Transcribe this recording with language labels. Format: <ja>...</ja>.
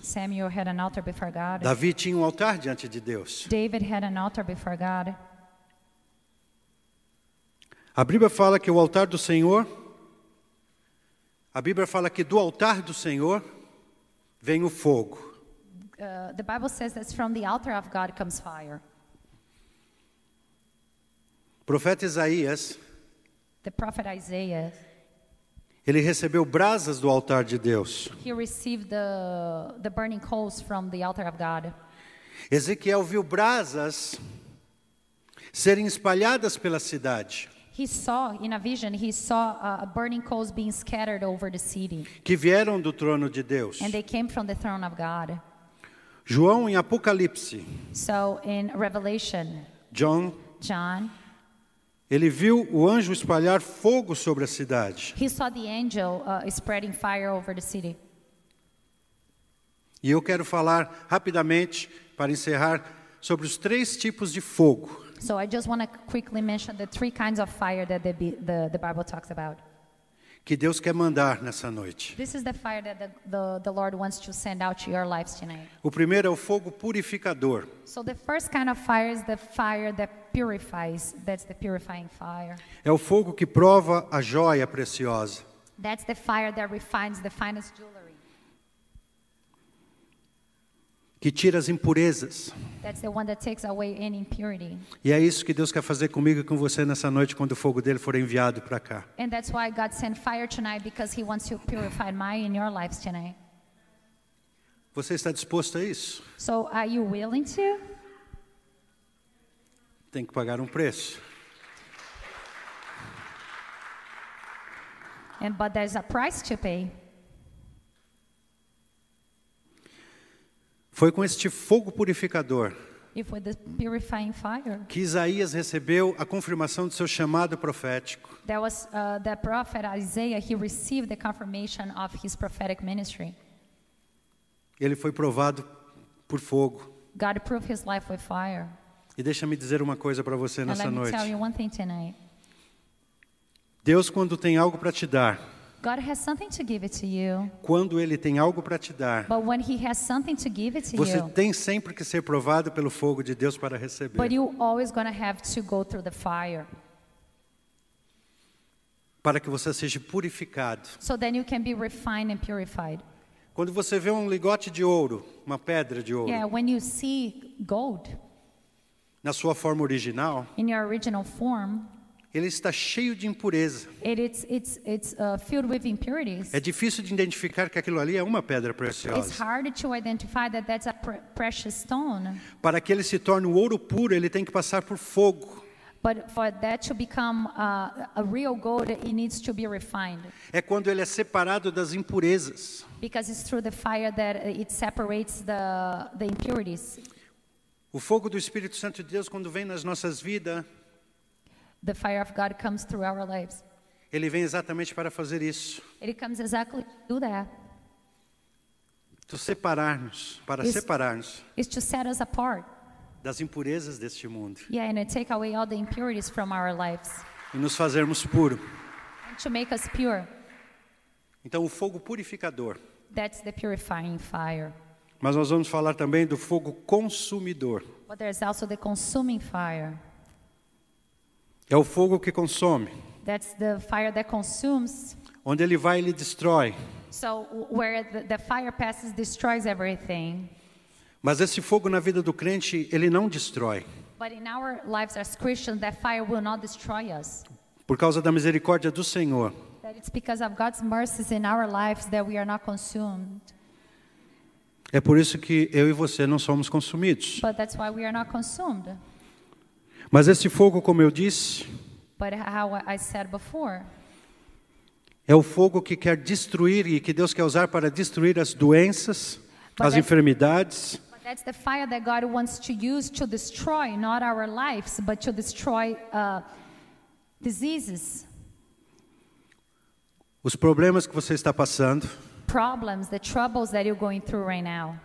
<en>Samuel had an altar before God.</en> <pt>Davi tinha um altar diante de Deus.</pt> <en>David had an altar before God.</en> <pt>A Bíblia fala que o altar do Senhor. A Bíblia fala que do altar do Senhor vem o fogo.</pt> <en>The Bible says that from the altar of God comes fire.</en> <pt>Profeta Isaías.</pt> <en>The prophet Isaiah.</en> <pt>Ele recebeu brasas do altar de Deus.</pt> <en>He received the burning coals from the altar of God.</en> <pt>Ezequiel viu brasas serem espalhadas pela cidade.</pt> <en>He saw in a vision. He saw a burning coals being scattered over the city.</en> <pt>Que vieram do trono de Deus.</pt> <en>And they came from the throne of God.</en> <pt>João em Apocalipse.</pt> <en>So in Revelation. John.</en> <pt>Ele viu o anjo espalhar fogo sobre a cidade.</pt> <en>He saw the angel spreading fire over the city.</en> <pt>E eu quero falar rapidamente para encerrar sobre os três tipos de fogo.</pt> <en>So I just want to quickly mention the three kinds of fire that the Bible talks about.</en> <pt>Que Deus quer mandar nessa noite.</pt> <en>This is the fire that the Lord wants to send out to your lives tonight.</en> <pt>O primeiro é o fogo purificador.</pt> <en>So the first kind of fire is the fire that purifies. That's the purifying fire.</en> <pt>É o fogo que prova a joia preciosa.</pt> <en>That's the fire that refines the finest jewelry.</en> <pt>Que tira as impurezas.</pt> <en>That's the one that takes away any impurity.</en> <pt>E é isso que Deus quer fazer comigo e com você nessa noite quando o fogo dele for enviado para cá.</pt> <en>And that's why God sent fire tonight because he wants to purify my and your lives tonight.</en> <pt>Você está disposto a isso?</pt> <en>So are you willing to?</en> <pt>Tem que pagar um preço.</pt> <en>And but there's a price to pay.</en> <pt>Foi com este fogo purificador</pt> <en>fire,</en> <pt>que Isaías recebeu a confirmação do seu chamado profético.</pt> <en>That was the prophet Isaiah, he received the confirmation of his prophetic ministry.</en> <pt>Ele foi provado por fogo.</pt> <en>God proved his life with fire.</en> <pt>E deixa-me dizer uma coisa para você</pt> <en>and</en> <pt>nessa noite.</pt> <en>Tell you one thing tonight.</en> <pt>Deus, quando tem algo para te dar,</pt> <en>God has something to give it to you.</en> <pt>Quando Ele tem algo para te dar,</pt> <en>but when He has something to give it to</en> <pt>você</pt> <en>you,</en> <pt>tem sempre que ser provado pelo fogo de Deus para receber.</pt> <en>But you're always going to have to go through the fire.</en> <pt>Para que você seja purificado.</pt> <en>So then you can be refined and purified.</en> <pt>Quando você vê um lingote de ouro, uma pedra de ouro,</pt> <en>yeah, when you see gold,</en> <pt>na sua forma original,</pt> <en>in your original form,</en> <pt>ele está cheio de impureza.</pt> <en>It's filled with impurities.</en> <pt>É difícil de identificar que aquilo ali é uma pedra preciosa.</pt> <en>It's hard to identify that that's a precious stone.</en> <pt>Para que ele se torne um ouro puro, ele tem que passar por fogo.</pt> <en>But for that to become a real gold, it needs to be refined.</en> <pt>É quando ele é separado das impurezas.</pt> <en>Because it's through the fire that it separates the impurities.</en> <pt>O fogo do Espírito Santo de Deus, quando vem nas nossas vidas,</pt> <en>the fire of God comes through our lives.</en> <pt>Ele vem exatamente para fazer isso.</pt> <en>It comes exactly to do that.</en> <pt>To separar-nos, para</pt> <en>it's,</en> <pt>separar-nos.</pt> <en>It's to set us apart.</en> <pt>Das impurezas deste mundo.</pt> <en>Yeah, and to take away all the impurities from our lives.</en> <pt>E nos fazermos puro.</pt> <en>And to make us pure.</en> <pt>Então o fogo purificador.</pt> <en>That's the purifying fire.</en> <pt>Mas nós vamos falar também do fogo consumidor.</pt> <en>But there's also the consuming fire.</en> <pt>É o fogo que consome.</pt> <en>That's the fire that consumes.</en> <pt>Onde ele vai, ele destrói.</pt> <en>So where the fire passes, destroys everything.</en> <pt>Mas esse fogo na vida do crente, ele não destrói.</pt> <en>But in our lives as Christians, that fire will not destroy us.</en> <pt>Por causa da misericórdia do Senhor.</pt> <en>That it's because of God's mercies in our lives that we are not consumed.</en> <pt>É por isso que eu e você não somos consumidos.</pt> <en>But that's why we are not consumed.</en> <pt>Mas esse fogo, como eu disse,</pt> <en>but how I said before,</en> <pt>é o fogo que quer destruir e que Deus quer usar para destruir as doenças, as enfermidades.</pt> <en>But that's the fire that God wants to use to destroy not our lives, but to destroy diseases.</en> <pt>Os problemas que você está passando.</pt> <en>Problems, the troubles that you're going through right now.</en>